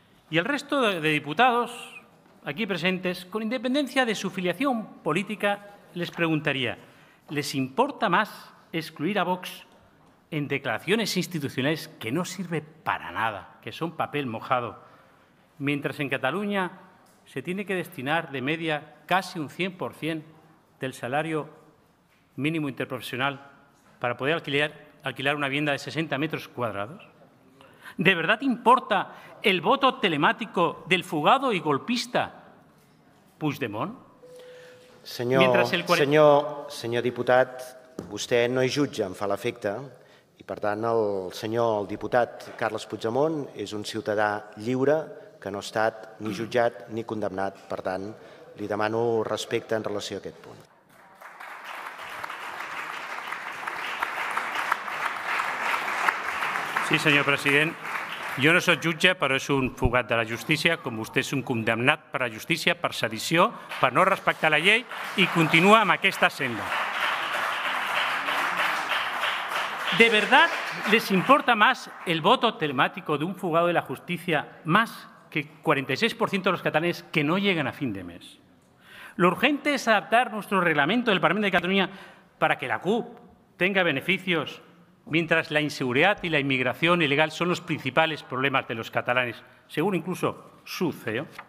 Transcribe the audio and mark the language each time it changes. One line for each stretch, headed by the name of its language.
Spanish: Y el resto de diputados aquí presentes, con independencia de su filiación política, les preguntaría, ¿les importa más excluir a Vox en declaraciones institucionales que no sirve para nada, que son papel mojado, mientras en Cataluña se tiene que destinar de media casi un 100% del salario mínimo interprofesional para poder alquilar una vivienda de 60 metros cuadrados? ¿De verdad importa el voto telemático del fugado y golpista Puigdemont?
Catalan: Senyor diputat, vostè no és jutge, em fa l'efecte, i per tant el diputat Carles Puigdemont és un ciutadà lliure que no ha estat ni jutjat ni condemnat. Per tant, li demano respecte en relació a aquest punt. Sí, senyor president, jo no soc jutge, però és un fugat de la justícia, com vostè és un condemnat per la justícia, per sedició, per no respectar la llei, i continua amb aquesta senda.
Spanish: ¿De verdad les importa más el voto telemático de un fugado de la justicia más que 46% de los catalanes que no lleguen a fin de mes? Lo urgente es adaptar nuestro reglamento del Parlament de Cataluña para que la CUP tenga beneficios mientras la inseguridad y la inmigración ilegal son los principales problemas de los catalanes, según incluso su CEO.